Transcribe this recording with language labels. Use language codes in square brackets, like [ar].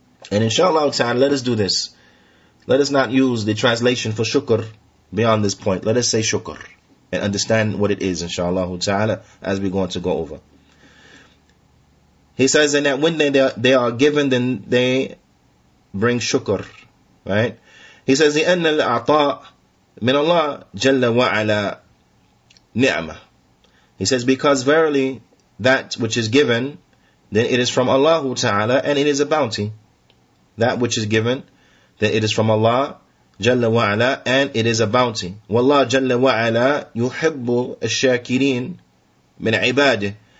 [en] And inshallah ta'ala, let us do this. Let us not use the translation for shukr beyond this point. Let us say shukr and understand what it is, inshallah ta'ala, as we're going to go over. He says, and that when they are given, then they bring shukr, right? He says, [ar] لأن العطاء من الله جل وعلا نعمة. [en] He says, because verily that which is given, then it is from Allah ta'ala, and it is a bounty. That which is given, then it is from Allah Jalla wa'ala, and it is a bounty. [ar] Wallah Jalla wa'ala yuhibbu ash-shakirin min ibadih.